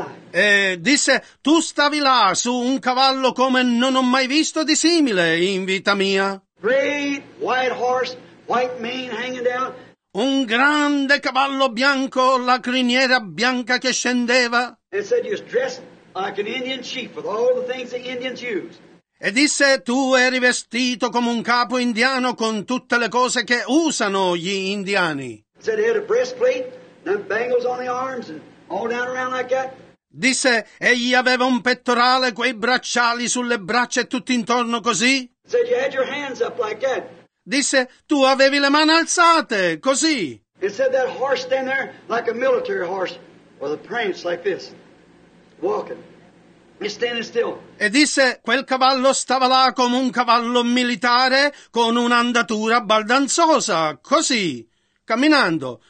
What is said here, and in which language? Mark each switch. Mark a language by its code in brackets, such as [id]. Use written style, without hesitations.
[it] E disse, tu stavi là su un cavallo come non ho mai visto di simile in vita mia. [en] Great white horse, white mane hanging down. [it] Un grande cavallo bianco, la criniera bianca che scendeva. [en] E said, you're dressed like an Indian chief with all the things the Indians use. [it] E disse, tu eri vestito come un capo indiano con tutte le cose che usano gli indiani. [en] Said he had a breastplate, then bangles on the arms and all down around like that. [it] Disse, egli aveva un pettorale, quei bracciali sulle braccia e tutto intorno così. [en] Said you had your hands up like that. [it] Disse, tu avevi le mani alzate, così. [en] And said that horse stand there like a military horse with a prance like this. Walking. Standing still. [it] E disse, quel cavallo stava là come un cavallo militare con un'andatura baldanzosa, così, camminando.